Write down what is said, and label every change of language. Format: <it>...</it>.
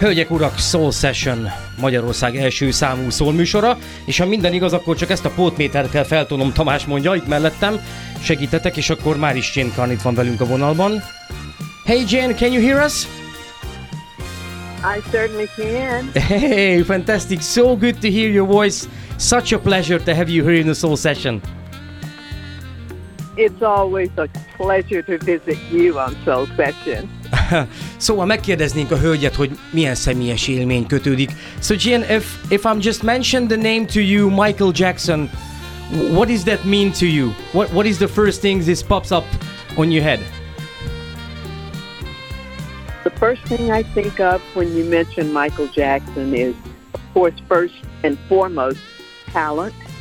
<hu>Hölgyek, urak, Soul Session, Magyarország első számú szólműsora, és ha minden igaz, akkor csak ezt a pótmétert kell feltonom, Tamás mondja, itt mellettem, segítetek, és akkor már is Jane Karn itt van velünk a vonalban.</hu> <en>Hey Jane, can you hear us? I certainly can. Hey, fantastic, so good to hear your voice. Such a pleasure to have you here in the Soul Session. It's always a pleasure to visit you on Soul Session.</en> <hu>Szóval megkérdeznénk a hölgyet, hogy milyen személyes élmény kötődik.</hu> <en>So Jane, if I'm just mentioned the name to you, Michael Jackson, what does that mean to you? What is the first thing this pops up on your head? The first thing I think of when you mention Michael Jackson is, of course, first and foremost, talent.</en>